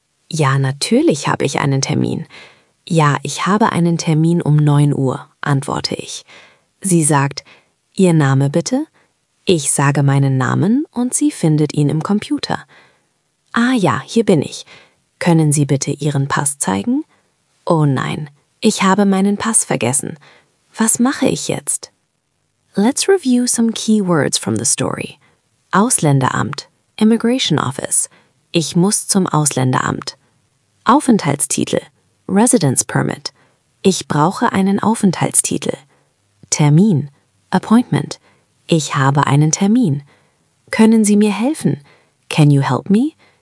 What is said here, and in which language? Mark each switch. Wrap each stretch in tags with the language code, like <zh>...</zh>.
<de>"Ja, natürlich habe ich einen Termin." "Ja, ich habe einen Termin um 9 Uhr, antworte ich. Sie sagt: "Ihr Name bitte?" Ich sage meinen Namen und sie findet ihn im Computer. "Ah ja, hier bin ich. Können Sie bitte Ihren Pass zeigen?" "Oh nein, ich habe meinen Pass vergessen. Was mache ich jetzt?"</de> <en>Let's review some key words from the story. Ausländeramt, Immigration Office.</en> <de>Ich muss zum Ausländeramt. Aufenthaltstitel, Residence Permit. Ich brauche einen Aufenthaltstitel. Termin, Appointment. Ich habe einen Termin. Können Sie mir helfen?</de> <en>Can you help me?</en>